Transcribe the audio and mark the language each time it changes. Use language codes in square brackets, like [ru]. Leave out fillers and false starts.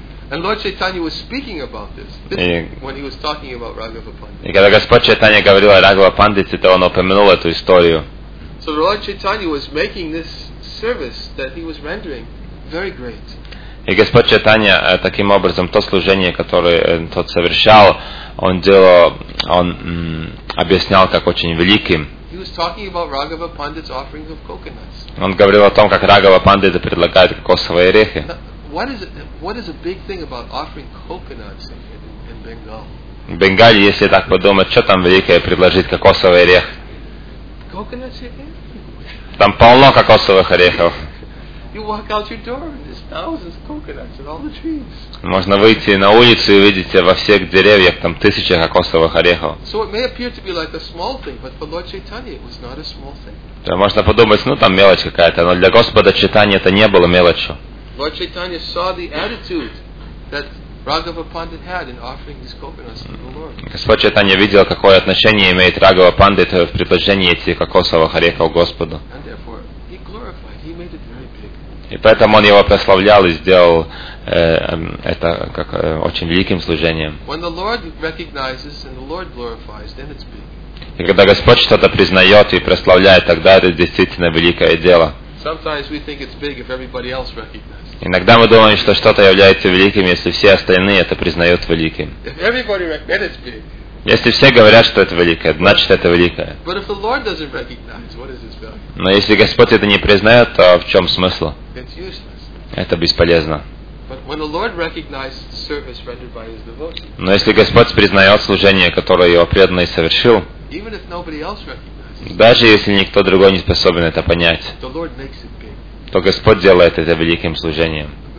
[en] And Lord Chaitanya was speaking about this when he was talking about Raghava Pandit. [ru] И когда Господь Чайтанья говорил о Раghava Пандите, то он упомянул эту историю. [en] So Lord Chaitanya was making this service that he was rendering very great. [ru] И Господь Чайтанья таким образом то служение, которое тот совершал, он делал, он объяснял как очень великим. [en] He was talking about Raghava Pandit's offerings of coconuts. [ru] Он говорил о том, как Раghava Пандит предлагает кокосовые орехи. [en] What is a big thing about offering coconuts in Bengal? [ru] В Бенгале, если так подумать, что там великое предложить кокосовый орех? [en] Coconuts here? [ru] Там полно кокосовых орехов. [en] You walk out your door and there's thousands of coconuts in all the trees. [ru] Можно выйти на улицу и увидеть во всех деревьях там тысячи кокосовых орехов. [en] So it may appear to be like a small thing, but for Lord Chaitanya it was not a small thing. [ru] Да, можно подумать, ну там мелочь какая-то, но для Господа Чайтанья это не было мелочью. [en] Lord Chaitanya saw the attitude that Raghava Pandit had in offering these coconuts to the Lord. [ru] Господь Чайтанья видел, какое отношение имеет Раghava Пандит в предложении этих кокосовых орехов Господу. [en] And therefore, he glorified, he made it very big. [ru] И поэтому он его прославлял и сделал это как очень великим служением. [en] When the Lord recognizes and the Lord glorifies, then it's big. [ru] И когда Господь что-то признает и прославляет, тогда это действительно великое дело. [en] Sometimes we think it's big if everybody else recognizes. [ru] Иногда мы думаем, что что-то является великим, если все остальные это признают великим. [en] If everybody recognizes, it's big. [ru] Если все говорят, что это великое, значит это великое. [en] But if the Lord doesn't recognize, what is its value? [ru] Но если Господь это не признает, то в чем смысл? [en] It's useless. [ru] Это бесполезно. [en] But when the Lord recognizes the service rendered by his devotees. [ru] Но если Господь признает служение, которое его преданный совершил. [en] Even if nobody else recognizes. [ru] Даже если никто другой не способен это понять, то Господь делает это великим служением.